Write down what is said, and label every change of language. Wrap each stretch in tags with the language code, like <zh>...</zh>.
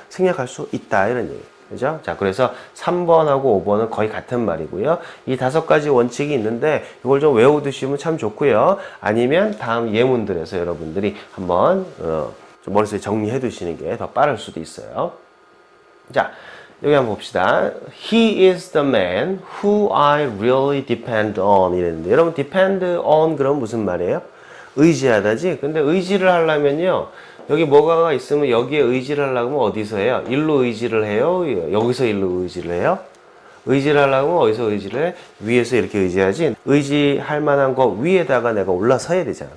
<ko>생략할 수 있다. 이런 얘기. 그죠? 자, 그래서 3번하고 5번은 거의 같은 말이고요. 이 다섯 가지 원칙이 있는데 이걸 좀 외워두시면 참 좋고요. 아니면 다음 예문들에서 여러분들이 한번, 머릿속에 정리해 두시는 게 더 빠를 수도 있어요. 자, 여기 한번 봅시다.</ko> <en>He is the man who I really depend on.</en> <ko>이랬는데, 여러분, depend on 그러면 무슨 말이에요? 의지하다지? 근데 의지를 하려면요. 여기 뭐가 있으면 여기에 의지를 하려면 어디서 해요? 일로 의지를 해요? 여기서 일로 의지를 해요? 의지를 하려면 어디서 의지를 해? 위에서 이렇게 의지하지? 의지할 만한 거 위에다가 내가 올라서야 되잖아.</ko>